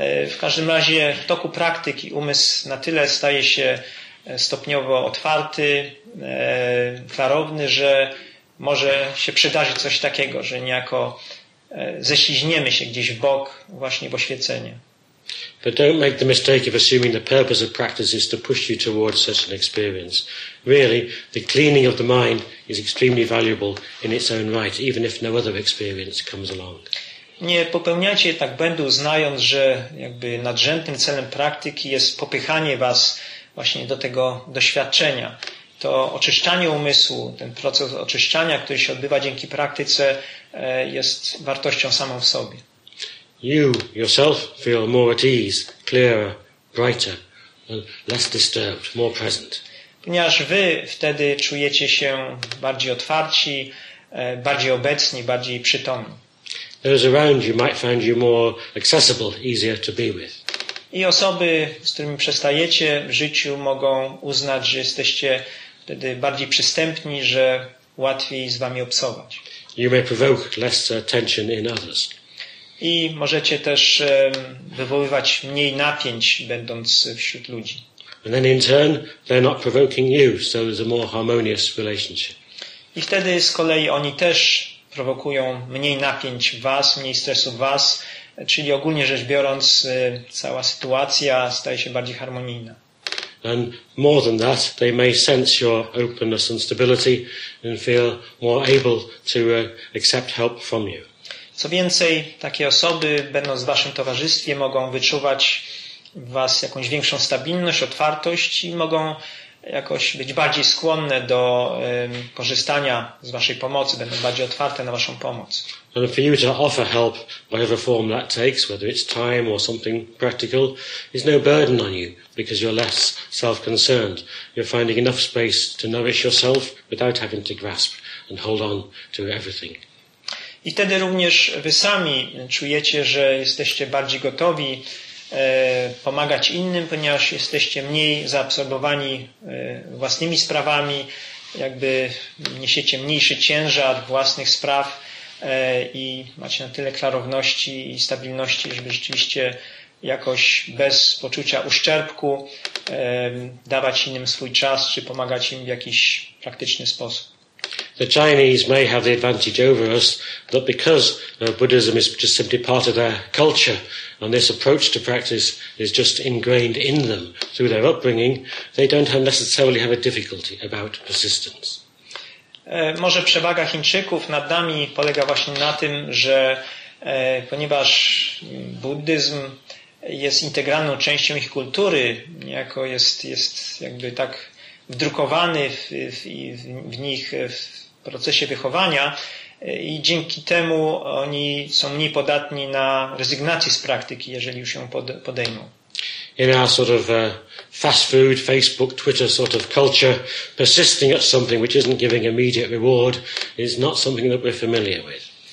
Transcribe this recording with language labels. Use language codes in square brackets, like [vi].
[pl] W każdym razie w toku praktyki umysł na tyle staje się stopniowo otwarty, klarowny, że może się przydarzyć coś takiego, że niejako ześliźniemy się gdzieś w bok właśnie w oświecenie. [en] But don't make the mistake of assuming the purpose of practice is to push you towards such an experience. Really, the cleaning of the mind is extremely valuable in its own right, even if no other experience comes along. [pl] Nie popełniajcie tak błędu, znając, że jakby nadrzędnym celem praktyki jest popychanie was właśnie do tego doświadczenia. To oczyszczanie umysłu, ten proces oczyszczania, który się odbywa dzięki praktyce, jest wartością samą w sobie. [en] You yourself feel more at ease, clearer, brighter, less disturbed, more present. [pl] Ponieważ wy wtedy czujecie się bardziej otwarci, bardziej obecni, bardziej przytomni. [en] Those around you might find you more accessible, easier to be with. [pl] I osoby, z którymi przestajecie w życiu, mogą uznać, że jesteście wtedy bardziej przystępni, że łatwiej z wami obcować. [en] You may provoke less tension in others. [pl] I możecie też wywoływać mniej napięć, będąc wśród ludzi. [en] And then in turn, they're not provoking you, so there's a more harmonious relationship. [pl] I wtedy z kolei oni też prowokują mniej napięć w was, mniej stresu w was, czyli ogólnie rzecz biorąc, cała sytuacja staje się bardziej harmonijna. [en] And more than that, they may sense your openness and stability and feel more able to accept help from you. [pl] Co więcej, takie osoby, będąc w waszym towarzystwie, mogą wyczuwać w was jakąś większą stabilność, otwartość i mogą jakoś być bardziej skłonne do korzystania z waszej pomocy, będą bardziej otwarte na waszą pomoc. [en] And for you to offer help, whatever form that takes, whether it's time or something practical, is no burden on you, because you're less self-concerned. You're finding enough space to nourish yourself without having to grasp and hold on to everything. [pl] I wtedy również wy sami czujecie, że jesteście bardziej gotowi pomagać innym, ponieważ jesteście mniej zaabsorbowani własnymi sprawami, jakby niesiecie mniejszy ciężar własnych spraw i macie na tyle klarowności i stabilności, żeby rzeczywiście jakoś bez poczucia uszczerbku dawać innym swój czas czy pomagać im w jakiś praktyczny sposób. [en] The Chinese may have the advantage over us that because Buddhism is just simply part of their culture and this approach to practice is just ingrained in them through their upbringing, they don't necessarily have a difficulty about persistence. [pl] Może przewaga Chińczyków nad nami polega właśnie na tym, że ponieważ buddyzm jest integralną częścią ich kultury, niejako jest jakby tak wdrukowany w nich w procesie wychowania i dzięki temu oni są mniej podatni na rezygnację z praktyki, jeżeli już ją podejmą. [en] In our sort of fast food, Facebook, Twitter sort of culture, persisting at something which isn't giving immediate reward is not something that we're familiar with.